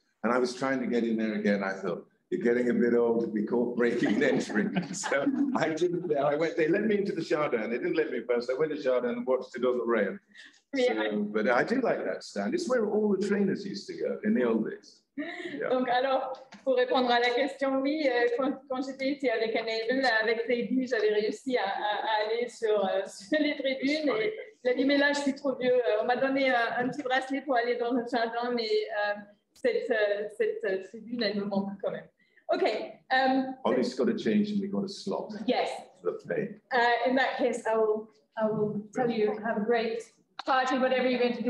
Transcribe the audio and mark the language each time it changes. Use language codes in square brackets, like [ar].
[en] And I was trying to get in there again. I thought, you're getting a bit old to be caught breaking and entering. So I didn't. I went. They let me into the Chardin. They didn't let me first. I went to Chardin and watched it on the rail. Yeah. But I do like that stand. It's where all the trainers used to go in the old days. Yeah. [fr] Donc alors, pour répondre à la question, oui, quand j'étais ici avec Anne-Hélène, avec Lady, j'avais réussi à aller sur les tribunes. Et elle a dit, mais là, je suis trop vieux. On m'a donné un petit bracelet pour aller dans le Chardin, mais cette tribune, elle me manque quand même. [en] Okay. Ollie's got to change and we've got to slot. Yes. In that case, I will tell you, have a great party, whatever you're going to do.